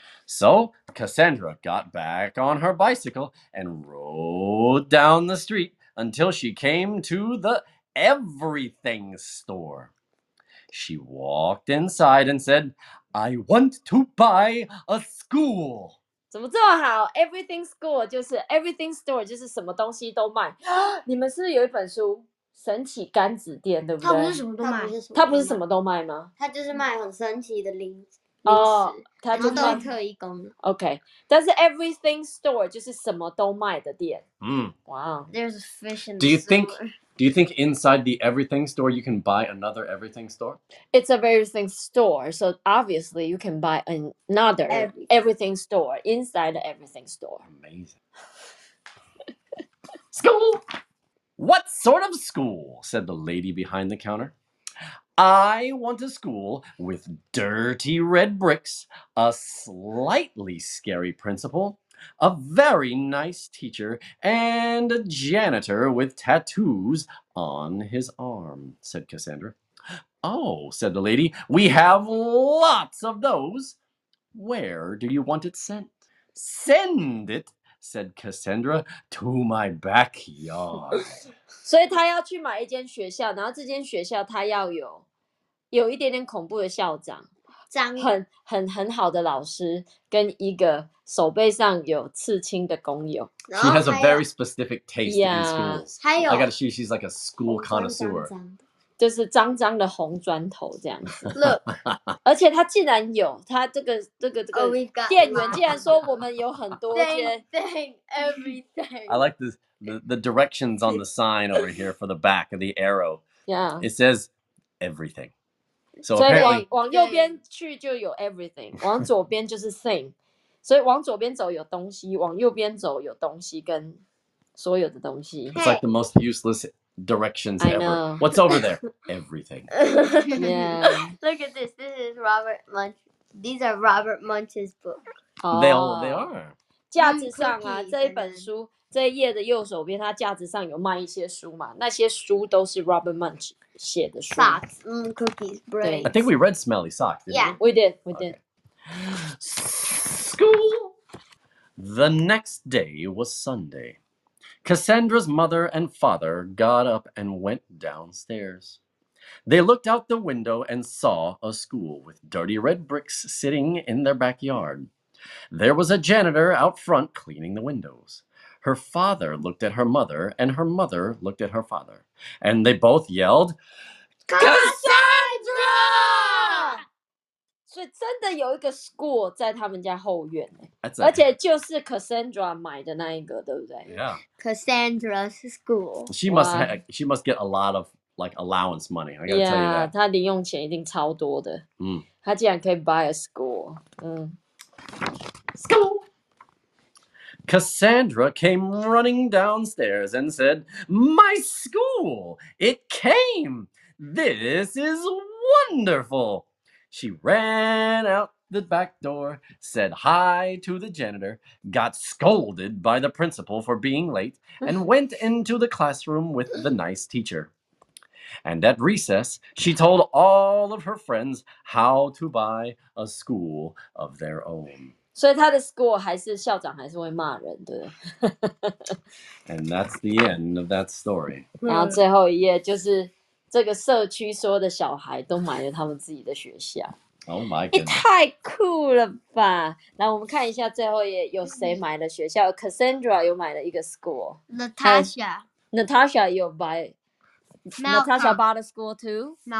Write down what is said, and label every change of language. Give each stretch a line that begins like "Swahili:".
English: So Cassandra got back on her bicycle and rode down the street until she came to the everything store. She walked inside and said, I want to buy a school.
Chinese: 怎么这么好 ？Everything school 就是 Everything store 就是什么东西都卖。你们是不是有一本书《神奇甘子店》，对不对？它不是什么都卖，它不是什么都卖吗？它就是卖很神奇的零食，它就是卖特异功能。 OK， 但是 Everything store 就是什么都卖的店。嗯，哇
English: ，There's a fish in the store. Do you think inside the Everything store you can buy another Everything store? It's a Everything store, so obviously you can buy another Everything store inside the Everything store. Amazing. School? What sort of school? Said the lady behind the counter. I want a school with dirty red bricks, a slightly scary principal. A very nice teacher and a janitor with tattoos on his arm, said Cassandra. Oh, said the lady, we have lots of those. Where do you want it sent? Send it, said Cassandra, to my backyard.
Chinese: 所以他要去买一间学校，然后这间学校他要有一点点恐怖的校长。很好的老师跟一个手背上有刺青的工友。
English: She has a very specific taste yeah, in schools. I got to see she's like a school connoisseur.
Chinese: 就是脏脏的红砖头这样子。
English: Look,
Chinese: 而且他竟然有他这个、
English: oh,
Chinese: 店员竟然说我们有很多间。
English: Thing, everything. I like the directions on the sign over here for the back of the arrow. Yeah. It says everything.
Chinese: 所以往右边去就有 everything， 往左边就是 thing， 所以往左边走有东西，往右边走有东西跟所有的东西。
English: It's like the most useless directions ever. I know. What's over there? Everything. Yeah. Look at this. This is Robert Munch. These are Robert Munch's book. They are.
Chinese: 架子上啊，这一本书这一页的右手边，它架子上有卖一些书嘛，那些书都是 Robert Munch。写的书
English: socks, cookies, bread. I think we read Smelly Socks, didn't yeah. we? Yeah, we did.、 Okay. School! The next day was Sunday. Cassandra's mother and father got up and went downstairs. They looked out the window and saw a school with dirty red bricks sitting in their backyard. There was a janitor out front cleaning the windows. Her father looked at her mother, and her mother looked at her father, and they both yelled, Cassandra!
Chinese: 所以真的有一个 school 在他们家后院、欸、
English: That's a...
Chinese: 而且就是 Cassandra 买的那一个，对不对
English: ？Yeah. Cassandra's school. She must get a lot of like allowance money. I gotta tell you that.
Chinese: Yeah, 她零用钱一定超多的。嗯、 mm. ，她竟然可以
English: buy a school. School. Cassandra came running downstairs and said, My school! It came! This is wonderful! She ran out the back door, said hi to the janitor, got scolded by the principal for being late, and went into the classroom with the nice teacher. And at recess, she told all of her friends how to buy a school of their own.
Chinese: 所以他的 school 还是校长还是会骂人的。
English: And that's the end of that story.
Chinese: 然后最后一页就是这个社区所有的小孩都买了他们自己的学校。
English: Oh my goodness. 也
Chinese: 太酷了吧。来我们看一下最后一页有谁买了学校。Cassandra 有买了一个 school.
English: Natasha.
Chinese: Natasha 有 buy.
English: Natasha bought a school too.